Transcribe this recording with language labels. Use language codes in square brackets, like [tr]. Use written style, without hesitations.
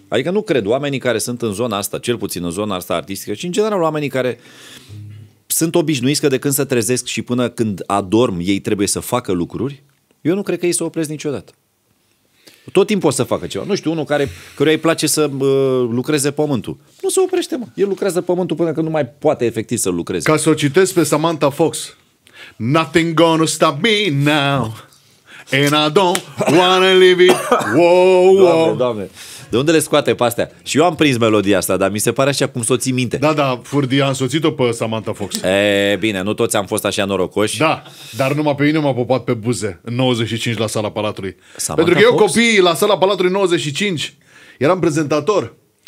[ro] Adică nu cred oamenii care sunt în zona asta, cel puțin în zona asta artistică, și în general oamenii care sunt obișnuiți că de când se trezesc și până când adorm ei trebuie să facă lucruri, eu nu cred că ei se opresc niciodată. Tot timpul o să facă ceva. Nu știu, unul care, căruia îi place să lucreze pământul. Nu se oprește, mă. El lucrează pământul până când nu mai poate efectiv să lucreze. Ca să o citesc pe Samantha Fox. [en] Nothing gonna stop me now. And I don't wanna leave it. Whoa, whoa. [ro] Doamne, doamne. De unde le scoate pe astea? Și eu am prins melodia asta, dar mi se pare așa cum s-o ții minte. Da, da, furdia a însoțit-o pe Samantha Fox. E, bine, nu toți am fost așa norocoși. Da, dar numai pe mine m-a popat pe buze în 95 la Sala Palatului. Samantha Pentru că Fox? Eu copii la Sala Palatului 95 eram prezentator.